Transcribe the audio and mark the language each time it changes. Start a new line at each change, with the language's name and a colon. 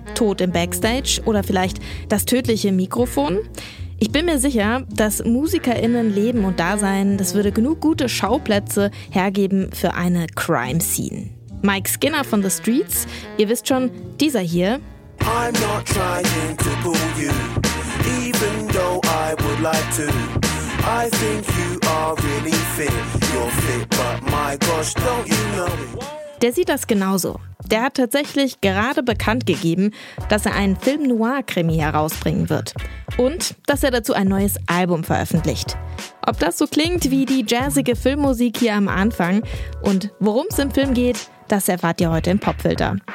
German: Tod im Backstage? Oder vielleicht das tödliche Mikrofon? Ich bin mir sicher, das MusikerInnen-Leben und Dasein, das würde genug gute Schauplätze hergeben für eine Crime-Scene. Mike Skinner von The Streets, ihr wisst schon, dieser hier.
English: I'm not trying to fool you, even though I would like to. I think you are really fit, you're fit, but my gosh, don't you know it.
German: Der sieht das genauso. Der hat tatsächlich gerade bekannt gegeben, dass er einen Film-Noir-Krimi herausbringen wird. Und dass er dazu ein neues Album veröffentlicht. Ob das so klingt wie die jazzige Filmmusik hier am Anfang und worum es im Film geht, das erfahrt ihr heute im Popfilter.